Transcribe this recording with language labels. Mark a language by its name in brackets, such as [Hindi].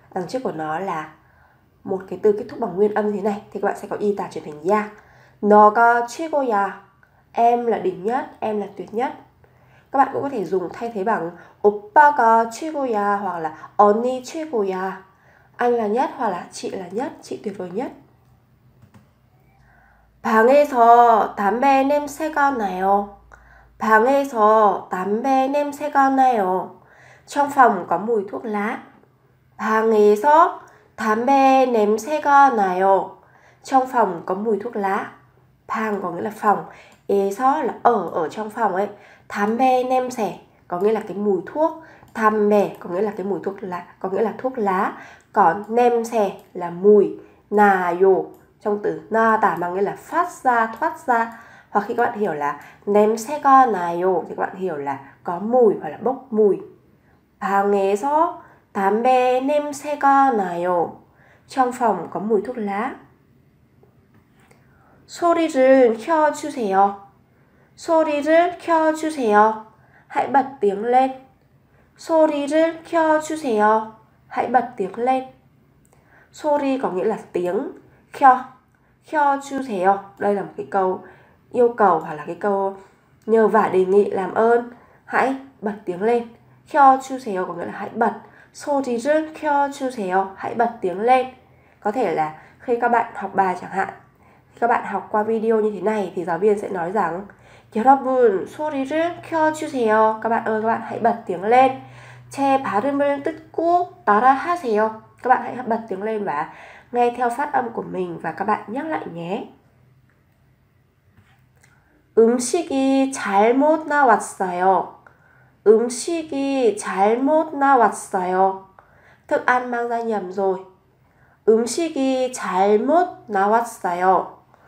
[Vietnamese] Đằng trước của nó là một cái từ kết thúc bằng nguyên âm như thế này, thì các bạn sẽ có y tà chuyển thành ya. Nó có chi cô ya, em là đỉnh nhất, em là tuyệt nhất. Các bạn cũng có thể dùng thay thế bằng oppa có chi cô ya, hoặc là oni chi cô ya, anh là nhất, hoặc là chị là nhất, chị tuyệt vời nhất. [Korean] 방에서 담배 냄새가 나요. 방에서 담배 냄새가 나요. [Vietnamese] Trong phòng có mùi thuốc lá. [Korean] 방에서 담배 냄새가 나요. [Vietnamese] Trong phòng có mùi thuốc lá. 방 có nghĩa là phòng, 에서 là ở trong phòng ấy. 담배 냄새 có nghĩa là cái mùi thuốc. 담배 có nghĩa là cái mùi thuốc lá, có nghĩa là thuốc lá. Còn 냄새 là mùi. 나요 trong từ 나다 mà nghĩa là phát ra, thoát ra. Hoặc khi các bạn hiểu là 냄새가 나요 thì các bạn hiểu là có mùi hoặc là bốc mùi. [Korean] 방에서 담배 냄새가 나요. [Vietnamese] Trong phòng có mùi thuốc lá. [Korean] 소리 좀 켜 주세요. 소리 좀켜 주세요. [Vietnamese] Hãy bật tiếng lên. [Korean] 소리 좀켜 주세요. [Vietnamese] Hãy bật tiếng lên. 소리 có nghĩa là tiếng. [Korean] 켜. 켜 주세요. [Vietnamese] Đây là một cái câu yêu cầu hoặc là cái câu nhờ vả đề nghị làm ơn. Hãy bật tiếng lên. 켜 주세요 có nghĩa là hãy bật. [Korean] 소리 좀 켜 주세요. [Vietnamese] Hãy bật tiếng lên. Có thể là khi các bạn học bài chẳng hạn, các bạn học qua video như thế này thì giáo viên sẽ nói rằng [Korean] 여러분 소리 좀 켜 주세요. [Vietnamese] Các bạn ơi, các bạn hãy bật tiếng lên. [Korean] 제 발음을 듣고 따라 하세요. [Vietnamese] Các bạn hãy bật tiếng lên và nghe theo phát âm của mình và các bạn nhắc lại nhé. [Korean] 음식이 잘못 나왔어요. 음식이 잘못 나왔어요. [Vietnamese] Thức ăn mang ra nhầm rồi. [Korean] 음식이 잘못 나왔어요.